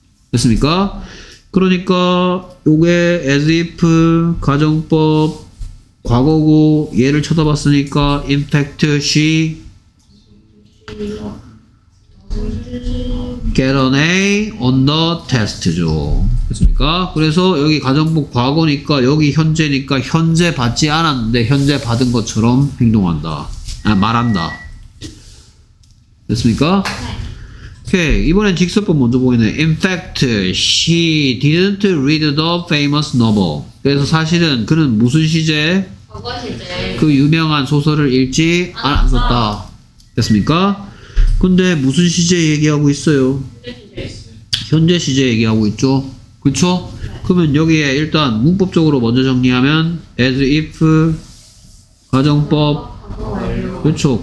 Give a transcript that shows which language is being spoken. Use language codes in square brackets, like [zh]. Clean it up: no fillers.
[ko] 됐습니까? 그러니까 요게 as if 가정법 과거고 얘를 쳐다봤으니까 [en] in fact she get an A on the test [ko] 죠. 됐습니까? 그래서 여기 가정법 과거니까 여기 현재니까 현재 받지 않았는데 현재 받은 것처럼 행동한다. 아, 말한다. 됐습니까? 오케이. 이번엔 직설법 먼저 보이네. [en] In fact, she didn't read the famous novel. [ko] 그래서 사실은 그는 무슨 시제? 과거 시제. 그 유명한 소설을 읽지 않았었다. 됐습니까? 근데 무슨 시제 얘기하고 있어요? 현재 시제 얘기하고 있죠. 그쵸? 그러면 여기에 일단 문법적으로 먼저 정리하면 as if 가정법 그쵸.